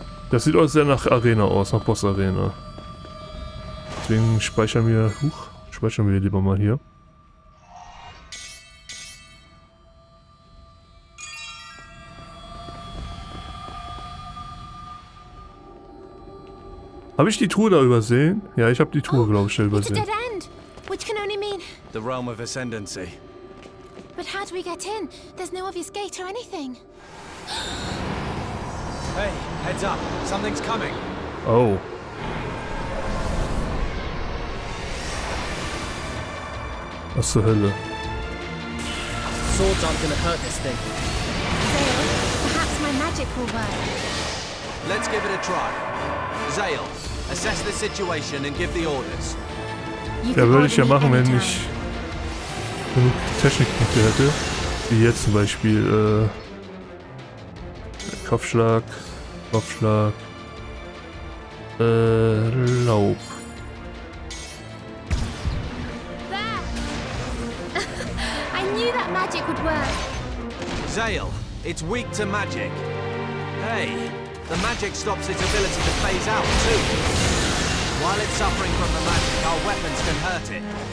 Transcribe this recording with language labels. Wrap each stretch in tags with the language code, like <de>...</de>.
<de>Das sieht auch sehr nach Arena aus, nach Boss-Arena. Deswegen speichern wir. Huch, speichern wir lieber mal hier. Habe ich die Truhe da übersehen? Ja, ich habe die Truhe, glaube ich, da übersehen.</de> <en>It's a dead end, which can only mean the realm of ascendancy. But how do we get in? There's no obvious gate or anything. Hey, heads up, something's coming. Oh.</en> <de>Was zur Hölle?</de> <en>Swords aren't gonna hurt this thing. Zael, perhaps my magic will work. Let's give it a try. Zael. Assess the situation and give the orders.</en> <de>Ja, würde ich ja machen, wenn ich genug Technikpunkte hätte. Wie jetzt zum Beispiel, Kopfschlag, Laub.</de> <en>I knew that magic would work. Zael, it's weak to magic. Hey, The magic stops its ability to phase out, too. While it's suffering from the magic, our weapons can hurt it.</en>